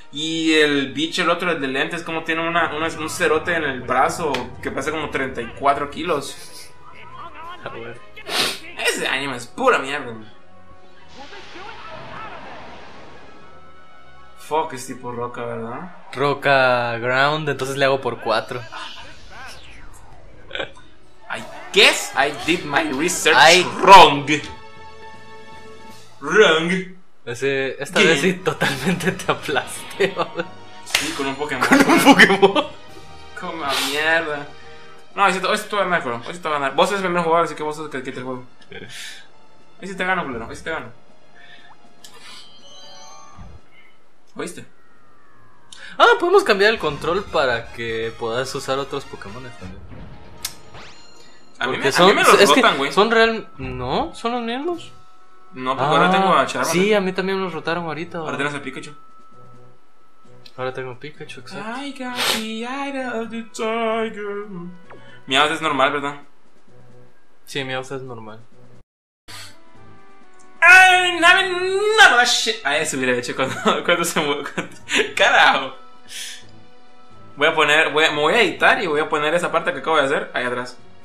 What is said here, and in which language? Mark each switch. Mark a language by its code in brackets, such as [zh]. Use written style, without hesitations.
[es] Y el bicho, el otro, el de lentes, como tiene un cerote en el brazo que pesa como 34 kilos. Ese anime es pura mierda, ma. [en] Fuck, [es] es tipo roca, ¿verdad? Roca ground, entonces le hago por 4. [en] I guess I did my research wrong. Wrong. [es] Esta vez sí totalmente te aplasté. Sí, con un Pokémon. Con un Pokémon. Como a mierda. No, hoy sí te voy a ganar, culero. Hoy sí te voy a ganar. Vos eres el primer jugador, así que vos sos el que quita el juego. Hoy sí te gano, culero. Hoy sí te gano. ¿Oíste? Ah, podemos cambiar el control para que puedas usar otros Pokémon también. Porque a mí me los rotan, güey. Son real. No, son los mismos. No, porque ahora tengo a Charmander. Sí, a mí también los rotaron ahorita. Ahora tienes el Pikachu. Ahora tengo Pikachu, exacto. [en] I got the eye of the tiger. [es] Meowth es normal, ¿verdad? Sí, Meowth es normal. Ay, no me. No, [en] shit. [es] Ay, eso hubiera hecho cuando se mueve. Carajo. Me voy a editar y voy a poner esa parte que acabo de hacer ahí atrás.